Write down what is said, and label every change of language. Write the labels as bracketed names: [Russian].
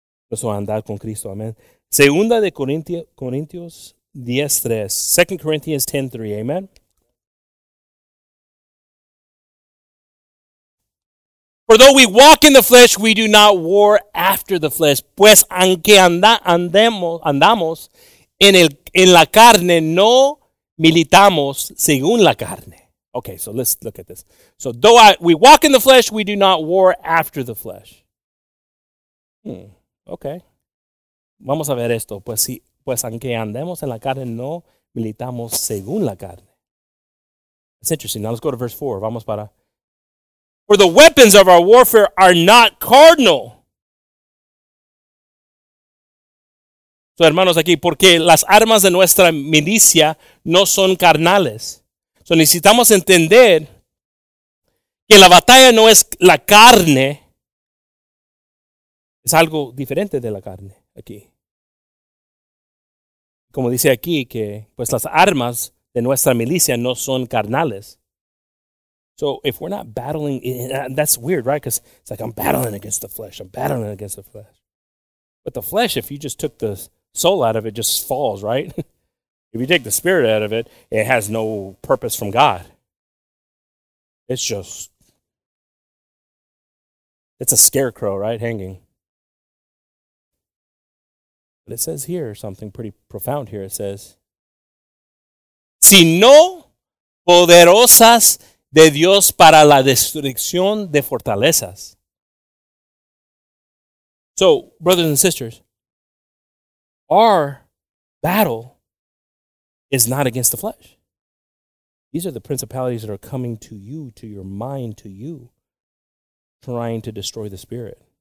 [Spanish] Nuestro andar con Cristo. Amén. Segunda de Corintios 10:3. [English] 2 Corinthians 10:3. Amén. For though we walk in the flesh, we do not war after the flesh. [Spanish] Pues aunque andamos en la carne, no militamos según la carne. [English] Okay, so let's look at this. So though we walk in the flesh, we do not war after the flesh. [Spanish] Okay. Vamos a ver esto. Pues aunque andemos en la carne, no militamos según la carne. [English] It's interesting. Now let's go to verse 4. [Spanish] Vamos para... [English] For the weapons of our warfare are not carnal. [Spanish] So, hermanos, aquí, porque las armas de nuestra milicia no son carnales. So, necesitamos entender que la batalla no es la carne. Es algo diferente de la carne, aquí. Como dice aquí, que pues las armas de nuestra milicia no son carnales. [English] So if we're not battling, that's weird, right? Because it's like, I'm battling against the flesh. I'm battling against the flesh. But the flesh, if you just took the soul out of it, just falls, right? If you take the spirit out of it, it has no purpose from God. It's a scarecrow, right? Hanging. But it says here something pretty profound here. It says, [Spanish] si no poderosas de Dios para la destrucción de fortalezas. [English] So, brothers and sisters, our battle is not against the flesh. These are the principalities that are coming to you, to your mind, to you, trying to destroy the spirit.